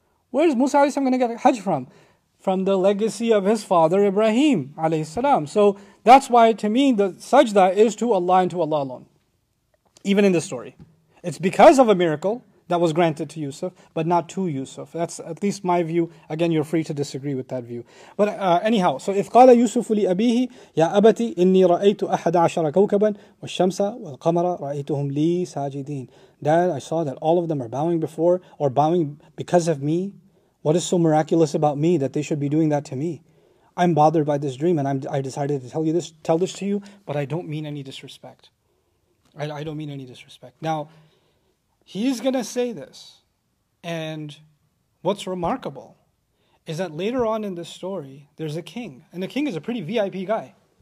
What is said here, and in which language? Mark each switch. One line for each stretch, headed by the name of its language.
English: Where's Musa alayhi salam going to get Hajj from? From the legacy of his father Ibrahim alayhi salam. So that's why to me the sajda is to Allah and to Allah alone. Even in this story. It's because of a miracle that was granted to Yusuf, but not to Yusuf. That's at least my view. Again, you're free to disagree with that view. But anyhow, so if
Arabic: قال يوسف لأبيه يا أبتي إني رأيت أحد عشر كوكبا والشمس والقمر رأيتهم لي ساجدين.
English: Dad, I saw that all of them are bowing before or bowing because of me. What is so miraculous about me that they should be doing that to me? I'm bothered by this dream, and I decided to tell you this, tell this to you, but I don't mean any disrespect. I don't mean any disrespect. Now, he's going to say this, and what's remarkable is that later on in this story, there's a king, and the king is a pretty VIP guy.